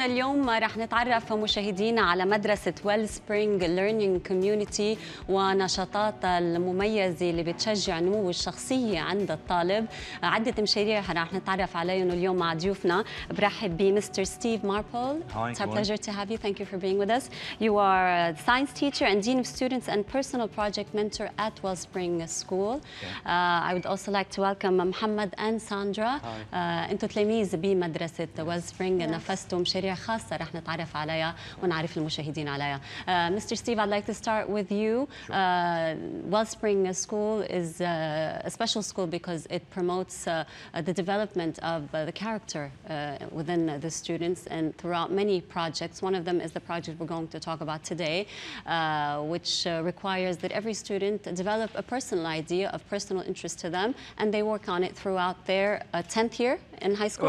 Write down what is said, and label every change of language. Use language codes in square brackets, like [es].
[ar] اليوم رح نتعرف مشاهدينا على مدرسة ويل سبرينغ ليرنينج كوميونيتي ونشاطاتها المميزة اللي بتشجع نمو الشخصية عند الطالب. عدة مشاريع رح نتعرف عليهم اليوم مع ضيوفنا. برحب بمستر ستيف ماربول. [en] It's a pleasure to have you. Thank you for being with us. You are a science teacher and dean of students and personal project mentor at Well Spring School. Okay. I would also like to welcome Muhammad and Sandra. [ar] انتوا تلاميذ بمدرسة Well Spring. نفذتوا مشاريع خاصة رح نتعرف عليها ونعرف المشاهدين عليها. [en] Mr. Steve, I'd like to start with you. Sure. Well Spring School is a special school because it promotes the development of the character within the students and throughout many projects. One of them is the project we're going to talk about today, which requires that every student develop a personal idea of personal interest to them, and they work on it throughout their 10th year in high school?